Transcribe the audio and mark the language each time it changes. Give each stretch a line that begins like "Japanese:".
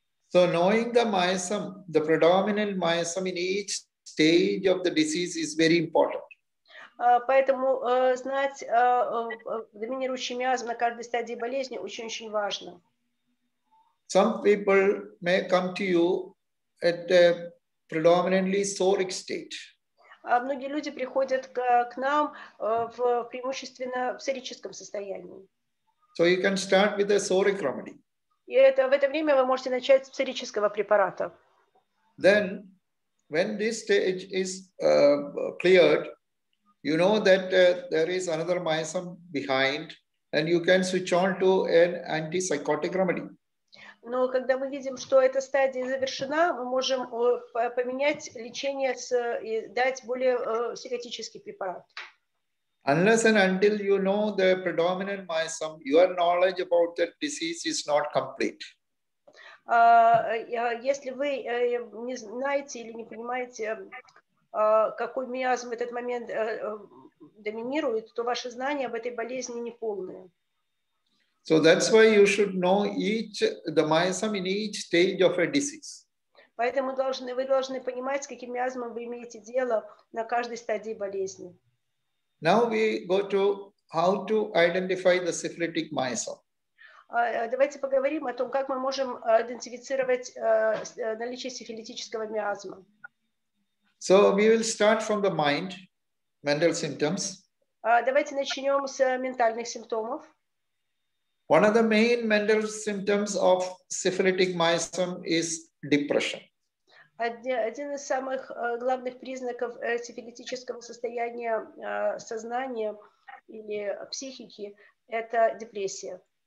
English: So knowing the miasm, the predominant miasm in each stage of the disease is very important.
Russian: Поэтому знать доминирующий миазм на каждой стадии болезни очень-очень важно.
English: Some people may come to you at a predominantly soric state.
Russian: Многие люди приходят к нам в преимущественно в сорическом состоянии.
English: So you can start with a soric remedy.
Russian: И это в это время вы можете начать с сорического препарата.
English: Then, when this stage is cleared, you know that there is another miasm behind, and you can switch on to an antipsychotic remedy.
Russian: Но когда мы видим, что эта стадия завершена, мы можем поменять лечение и дать более психотический препарат.
English: Unless and until you know the predominant miasm, your knowledge about that disease is not complete.
Russian: Если вы не знаете или не понимаете, какой миазм в этот момент доминирует, то ваши знания об этой болезни не полные.
English: So that's why you should know each the miasm in each stage of a disease.
Russian: Поэтому вы должны понимать, с каким миазмом вы имеете дело на каждой стадии болезни.
English: Now we go to how to identify the syphilitic miasm.
Russian: Давайте поговорим о том, как мы можем идентифицировать наличие сифилитического миазма.
English: So we will start from the mind, mental symptoms.
Russian: Давайте начнем с ментальных симптомов.
English: One of the main mental symptoms of syphilitic miasm is depression.
Russian: Один из самых главных признаков сифилитического состояния сознания или психики – это депрессия.